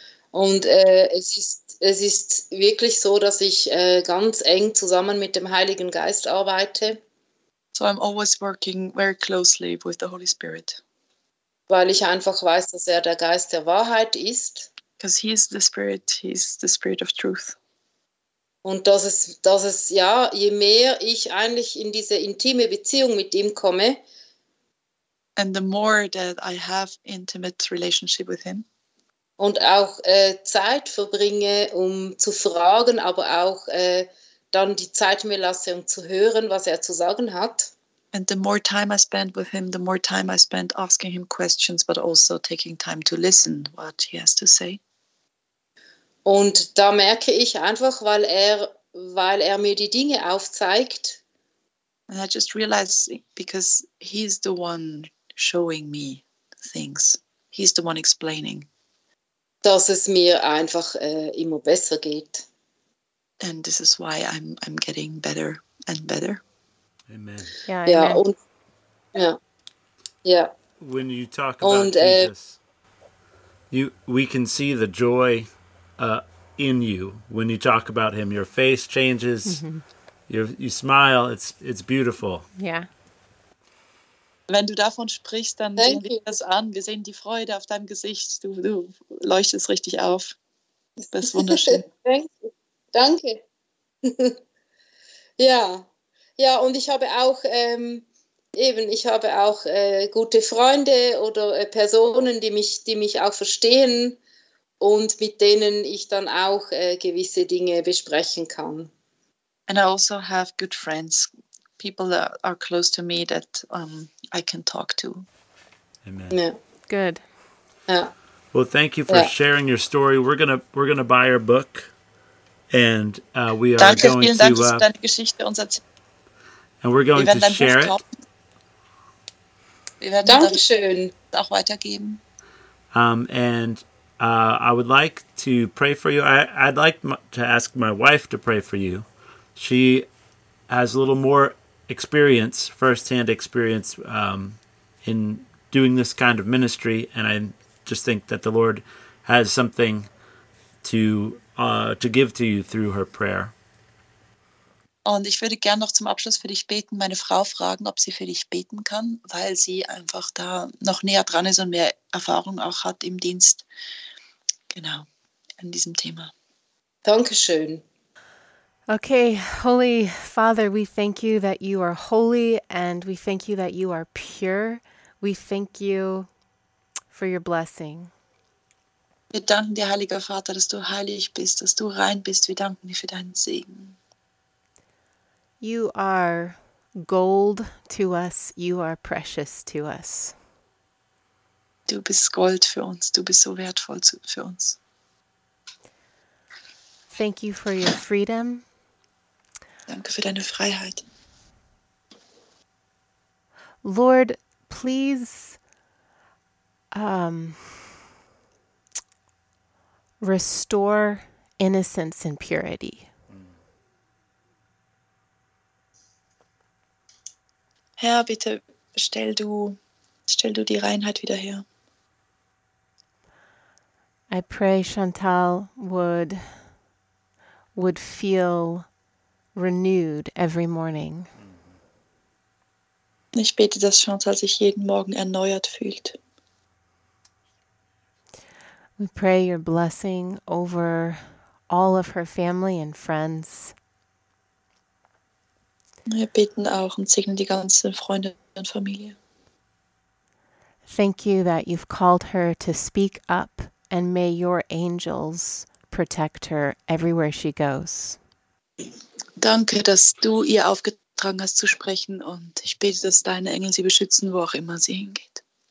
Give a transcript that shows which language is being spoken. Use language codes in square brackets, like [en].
[de] Und es ist wirklich so, dass ich ganz eng zusammen mit dem Heiligen Geist arbeite. [en] So I'm always working very closely with the Holy Spirit. [de] Weil ich einfach weiß, dass er der Geist der Wahrheit ist. [en] Because he is the Spirit, he is the Spirit of Truth. [de] Und dass es, ja, je mehr ich eigentlich in diese intime Beziehung mit ihm komme. [en] And the more that I have intimate relationship with him. [de] und auch Zeit verbringe, um zu fragen, aber auch dann die Zeit mir lasse, um zu hören, was er zu sagen hat. [en] And the more time I spend with him, the more time I spend asking him questions, but also taking time to listen, what he has to say. [de] Und da merke ich einfach, weil er mir die Dinge aufzeigt. [en] And I just realize, because he's the one showing me things. He's the one explaining. [de] Dass es mir einfach immer besser geht. [en] And this is why I'm getting better and better. Amen. When you talk about Jesus, we can see the joy in you when you talk about him. Your face changes. Mm-hmm. You smile. It's beautiful. Yeah. [de] Wenn du davon sprichst, dann sehen wir das an. Wir sehen die Freude auf deinem Gesicht. Du leuchtest richtig auf. Das ist wunderschön. Danke. Ja. Ja, und ich habe auch gute Freunde oder Personen, die mich auch verstehen und mit denen ich dann auch gewisse Dinge besprechen kann. [en] And I also have good friends, people that are close to me that I can talk to. Amen. Yeah. Good. Yeah. Well, thank you for sharing your story. We're gonna buy your book, and we are [de] Danke, [en] going [de] vielen Dank, [en] to. [de] Dass du deine Geschichte uns erzählst. [en] And we're going to share it. [de] Wir werden Dankeschön. Das auch weitergeben. [en] I would like to pray for you. I'd like to ask my wife to pray for you. She has a little more experience, firsthand experience, in doing this kind of ministry. And I just think that the Lord has something to give to you through her prayer. [de] Und ich würde gerne noch zum Abschluss für dich beten, meine Frau fragen, ob sie für dich beten kann, weil sie einfach da noch näher dran ist und mehr Erfahrung auch hat im Dienst, genau, an diesem Thema. Dankeschön. [en] Okay, Holy Father, we thank you that you are holy and we thank you that you are pure. We thank you for your blessing. [de] Wir danken dir, Heiliger Vater, dass du heilig bist, dass du rein bist. Wir danken dir für deinen Segen. [en] You are gold to us. You are precious to us. [de] Du bist Gold für uns. Du bist so wertvoll für uns. [en] Thank you for your freedom. [de] Danke für deine Freiheit. [en] Lord, please restore innocence and purity. [de] Herr, bitte stell du die Reinheit wieder her. [en] I pray Chantal would feel renewed every morning. [de] Ich bete, dass Chantal sich jeden Morgen erneuert fühlt. [en] We pray your blessing over all of her family and friends. [de] Wir beten auch und segnen die ganze Freunde und Familie. [en] Thank you that you've called her to speak up and may your angels protect her everywhere she goes. [de] Danke, dass du ihr aufgetragen hast zu sprechen und ich bete, dass deine Engel sie beschützen, wo auch immer sie hingeht.